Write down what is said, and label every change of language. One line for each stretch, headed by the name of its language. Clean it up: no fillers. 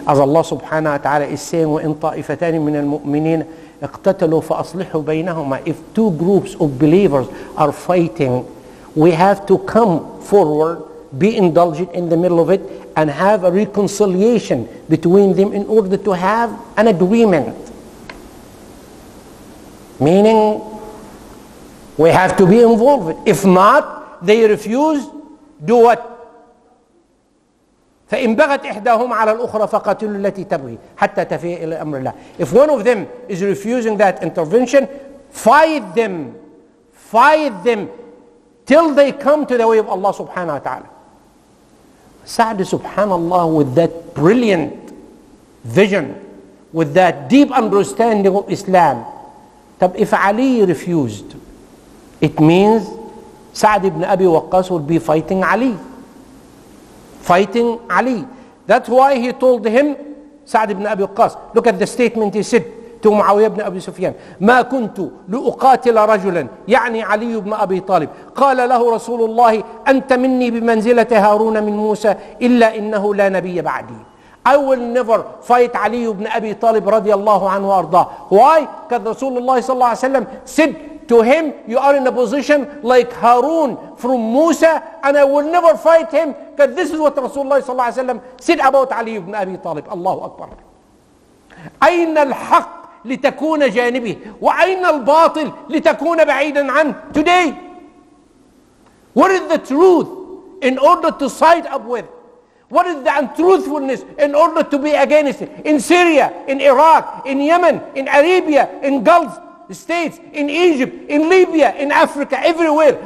Arabic: أذى الله سبحانه وتعالى إسين وإن طائفتان من المؤمنين اقتتلوا فأصلحوا بينهما.
English: If two groups of believers are fighting, we have to come forward, be indulgent in the middle of it, and have a reconciliation between them in order to have an agreement. Meaning, we have to be involved. If not, they refuse, do what?
Arabic: فإن بغت إحداهما على الأخرى فقاتلوا التي تبغي حتى تفيء إلى أمر الله.
English: If one of them is refusing that intervention, fight them. Fight them till they come to the way of Allah subhanahu wa ta'ala. Sa'd subhanallah with that brilliant vision, with that deep understanding of Islam. طب if Ali refused, it means Sa'd ibn Abi Waqqas would be fighting Ali. Fighting Ali. That's why he told him, Sa'd ibn Abi Waqqas. Look at the statement he said to Muawiyah ibn Abi Sufyan.
Arabic: ما كنت لأقاتل رجلا يعني علي بن أبي طالب. قال له رسول الله أنت مني بمنزلة هارون من موسى إلا إنه لا نبي بعدي.
English: I will never fight علي بن أبي طالب
Arabic: رضي الله عنه وأرضاه.
English: Why? Because رسول الله
Arabic: صلى الله عليه وسلم
English: said to him, you are in a position like Harun from Musa, and I will never fight him, because this is what Rasulullah صلى الله عليه وسلم said about Ali ibn Abi Talib. Allahu Akbar.
Arabic: أين الحق لتكون جانبه وأين الباطل لتكون بعيدا عنه.
English: Today, what is the truth in order to side up with? What is the untruthfulness in order to be against it? In Syria, in Iraq, in Yemen, in Arabia, in Gulf States, in Egypt, in Libya, in Africa, everywhere.